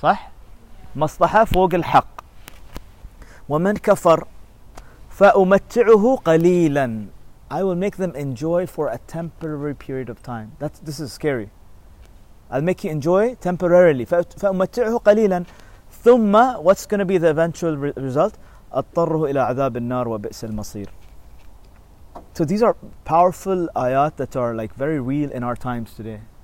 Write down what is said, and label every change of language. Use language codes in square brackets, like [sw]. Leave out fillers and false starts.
[ar] صح? مصلحه فوق الحق. ومن كفر فأمتعه قليلا. [en] I will make them enjoy for a temporary period of time. This is scary. I'll make you enjoy temporarily. [ar] فأمتعه قليلا. [en] ثم, what's going to be the eventual result? [ar] أضطره إلى عذاب النار وبئس المصير. [en] So these are powerful ayat that are like very real in our times today.